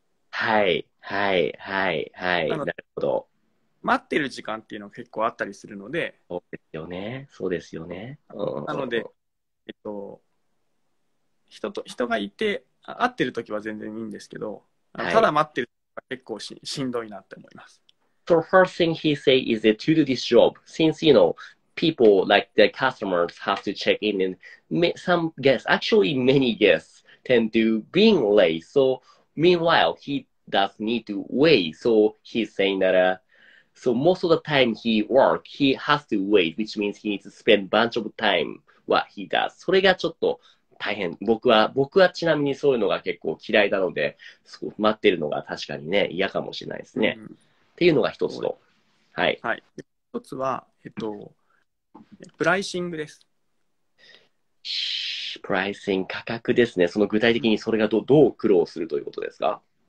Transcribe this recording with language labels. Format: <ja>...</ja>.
<ja>はいはいはいはい。なるほど。待ってる時間っていうのが結構あったりするので。そうですよね。そうですよね。なので、人がいて会ってるときは全然いいんですけど、ただ待ってるときは結構 しんどいなって思います。</ja> <en>So first thing he say is that to do this job, since you know, people like the customers have to check in and some guests, actually many guests tend to being late. So meanwhile, he does need to wait. So he's saying that, so most of the time he work, he has to wait, which means he needs to spend a bunch of time what he does.</en> <ja>それがちょっと大変。僕はちなみにそういうのが結構嫌いなので、待ってるのが確かにね、嫌かもしれないですね。うん、っていうのが一つと。はい。はい。一つは、プライシングです。プライシング、価格ですね。その具体的にそれがどう苦労するということですか？</ja>